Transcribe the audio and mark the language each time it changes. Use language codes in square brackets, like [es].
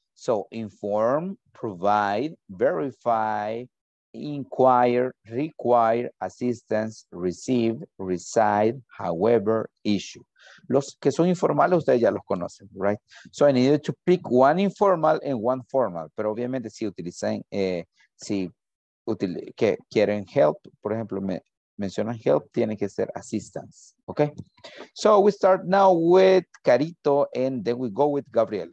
[en] So inform, provide, verify, inquire, require, assistance, receive, reside, however, issue. [es] Los que son informales, ustedes ya los conocen, right? [en] So I needed to pick one informal and one formal. [es] Pero obviamente si utilizan, si que quieren help, por ejemplo, mencionan help, tiene que ser assistance, okay? [en] So we start now with Carito and then we go with Gabriel.